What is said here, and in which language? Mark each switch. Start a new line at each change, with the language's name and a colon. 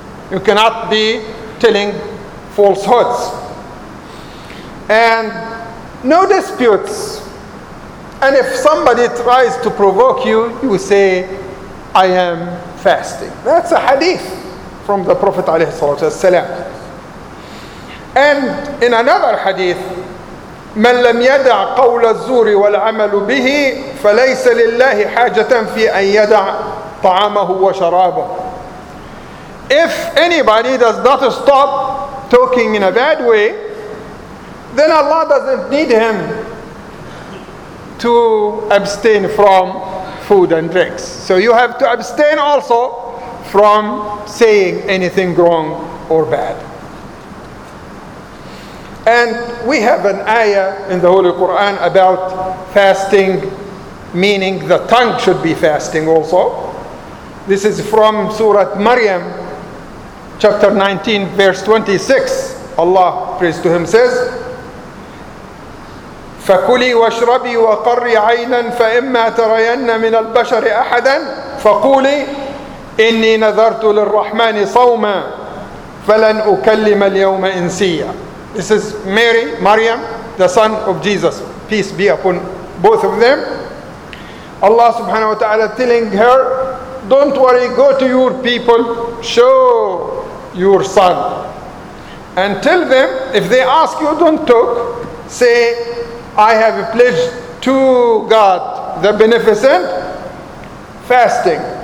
English: You cannot be telling falsehoods. And no disputes. And if somebody tries to provoke you, you say, I am fasting. That's a hadith from the Prophet ﷺ. And in another hadith,
Arabic: من لم يدع قول الزور والعمل به فليس لله حاجة في أن يدع طعامه وشرابه.
English: If anybody does not stop talking in a bad way, then Allah doesn't need him to abstain from food and drinks. So you have to abstain also from saying anything wrong or bad. And we have an ayah in the Holy Quran about fasting, meaning the tongue should be fasting also. This is from Surah Maryam, chapter 19, verse 26. Allah, praise to Him, says,
Arabic: فَكُلِي وَاشْرَبِي وَقَرِّي عَيْنًا فَإِمَّا تَرَيَنَّ مِنَ الْبَشَرِ أَحَدًا فَقُولِي إِنِّي نَذَرْتُ لِلرَّحْمَنِ صَوْمًا فَلَنْ أُكَلِّمَ الْيَوْمَ إِنْسِيًّا.
English: This is Mary, Maryam, the son of Jesus. Peace be upon both of them. Allah subhanahu wa ta'ala telling her, don't worry, go to your people, show your son. And tell them, if they ask you, don't talk. Say, I have pledged to God, the Beneficent, fasting.